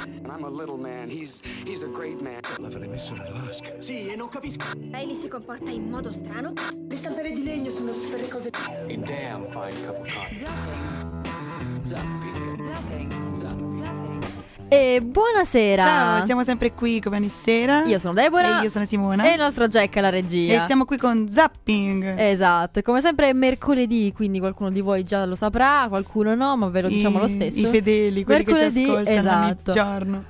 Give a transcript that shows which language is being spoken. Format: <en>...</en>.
<en>I'm a little man, he's a great man.</en> <it>L'avrei messo nella vasca. Sì, e non capisco. Ellie si comporta in modo strano. Le stampere di legno sono per le cose.</it> <en>A damn fine cup of coffee.</en> <it>E buonasera. Ciao, siamo sempre qui come ogni sera. Io sono Deborah. E io sono Simona. E il nostro Jack alla regia. E siamo qui con Zapping. Esatto, come sempre è mercoledì, quindi qualcuno di voi già lo saprà, qualcuno no, ma ve lo diciamo lo stesso. I fedeli, quelli mercoledì, che ci ascoltano, esatto, ogni giorno.</it>